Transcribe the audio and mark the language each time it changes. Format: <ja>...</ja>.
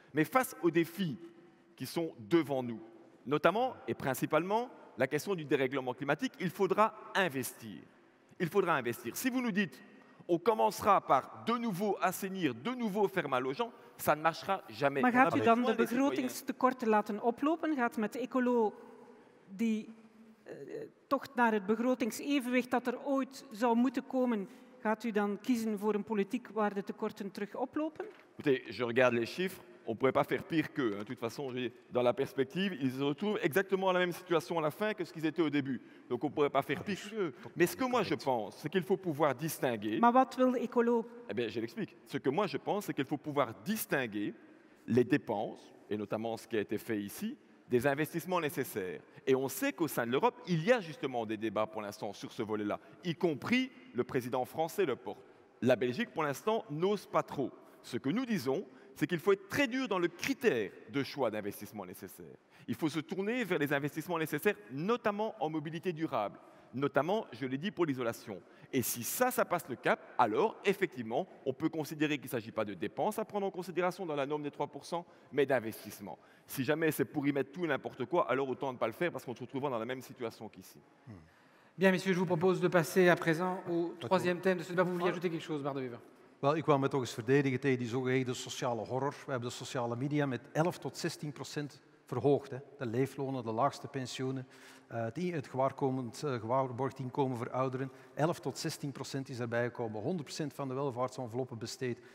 <fr>Mais face aux défis qui sont devant nous, notamment et principalement la question du dérèglement climatique, il faudra investir. Il faudra investir. Si vous nous dites, on commencera par de nouveau assainir, de nouveau faire mal aux gens, ça ne marchera jamais.</fr> <nl>Maar gaat u dan de begrotingstekorten laten oplopen? Gaat met Ecolo die tocht naar het begrotingsevenwicht dat er ooit zou moeten komen, gaat u dan kiezen voor een politiek waar de tekorten terug oplopen?</nl> <fr>Je regarde les chiffres, on ne pourrait pas faire pire qu'eux. De toute façon, dans la perspective, ils se retrouvent exactement dans la même situation à la fin que ce qu'ils étaient au début. Donc on ne pourrait pas faire pire qu'eux. Mais ce que moi je pense, c'est qu'il faut pouvoir distinguer...</fr> <nl>Mais wat wil Ecolo?</nl> <fr>Eh bien, je l'explique. Ce que moi je pense, c'est qu'il faut pouvoir distinguer les dépenses, et notamment ce qui a été fait ici, des investissements nécessaires. Et on sait qu'au sein de l'Europe, il y a justement des débats pour l'instant sur ce volet-là, y compris le président français le porte. La Belgique, pour l'instant, n'ose pas trop. Ce que nous disons, c'est qu'il faut être très dur dans le critère de choix d'investissement nécessaire. Il faut se tourner vers les investissements nécessaires, notamment en mobilité durable, notamment, je l'ai dit, pour l'isolation. Et si ça, ça passe le cap, alors, effectivement, on peut considérer qu'il ne s'agit pas de dépenses à prendre en considération dans la norme des 3%, mais d'investissement. Si jamais c'est pour y mettre tout et n'importe quoi, alors autant ne pas le faire, parce qu'on se retrouvera dans la même situation qu'ici. Bien, messieurs, je vous propose de passer à présent au troisième thème de ce débat. Vous vouliez ajouter quelque chose, Bart De Wever?</fr> <nl>Ik wou me toch eens verdedigen tegen die zogeheten sociale horror. We hebben de sociale media met 11-16% verhoogd. Hè. De leeflonen, de laagste pensioenen, het gewaarborgd inkomen voor ouderen. 11-16% is erbij gekomen. 100% van de welvaartsenveloppen besteed.</nl>